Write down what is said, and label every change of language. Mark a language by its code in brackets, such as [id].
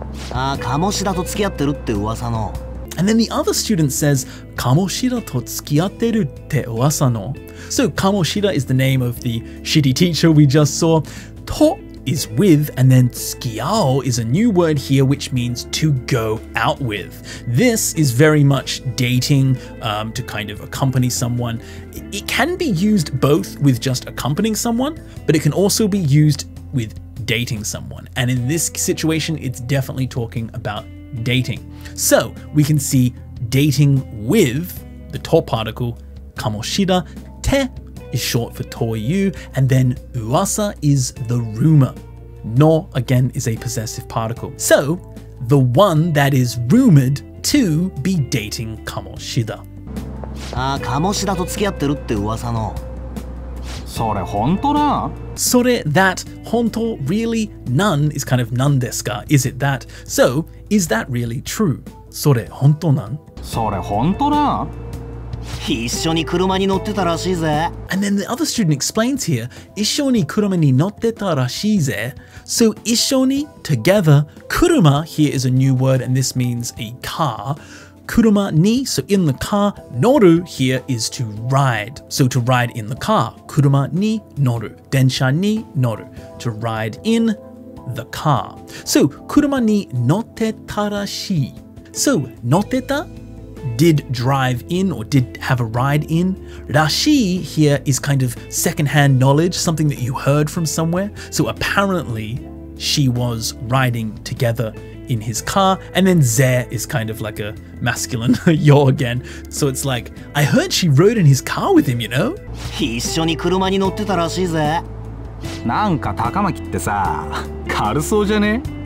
[ja] あ、鴨志田と付き合ってるって噂の。 [en] And then the other student says, [ja] 鴨志田と付き合ってるって噂の。 [en] So 鴨志田 is the name of the shitty teacher we just saw. と is with, and then 付き合う is a new word here, which means to go out with. This is very much dating, to kind of accompany someone. It can be used both with just accompanying someone, but it can also be used with dating someone. And in this situation, it's definitely talking about dating. So we can see dating with the to particle, 鴨志田, te is short for toyu, and then uwasa is the rumor. No, again, is a possessive particle. So, the one that is rumored to be dating 鴨志田. [ja] あ、鴨志田と付き合ってるって噂の. それ本当だ? [en] それ, that, 本当, really, none is kind of none desu ka. Is it that? So, is that really true? [ja] それ本当なん? それ本当だ? 一緒に車に乗ってたらしいぜ。 [en] And then the other student explains here, [ja] 一緒に車に乗ってたらしいぜ。 [en] So 一緒に together, 車 here is a new word and this means a car. 車に, so in the car, 乗る here is to ride. So to ride in the car, [ja] 車に乗る, 電車に乗る, [en] to ride in the car. [ja] So 車に乗ってたらしい. [en] So 乗ってた, did drive in or did have a ride in. らしい here is kind of secondhand knowledge, something that you heard from somewhere. So apparently she was riding together. In his car, and then ze is kind of like a masculine yo again. So it's like, I heard she rode in his car with him, you know? [ja] 一緒に車に乗ってたらしいぜ。なんか高巻ってさ、軽そうじゃね?